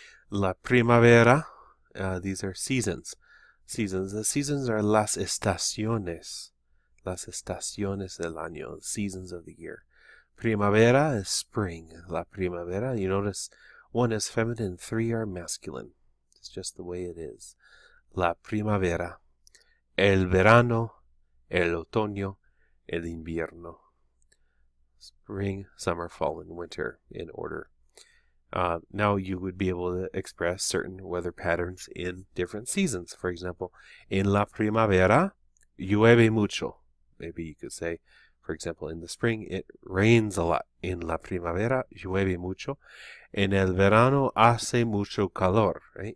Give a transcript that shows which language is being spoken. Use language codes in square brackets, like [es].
[en] La primavera, these are seasons. Seasons. The seasons are [es] las estaciones del año, [en] seasons of the year. Primavera is spring. La primavera, you notice one is feminine, three are masculine. It's just the way it is. [es] La primavera, el verano, el otoño, el invierno. [en] Spring, summer, fall, and winter in order. Now you would be able to express certain weather patterns in different seasons. For example, [es] en la primavera, llueve mucho. [en] Maybe you could say, for example, in the spring, it rains a lot. [es] En la primavera, llueve mucho. En el verano, hace mucho calor. Right?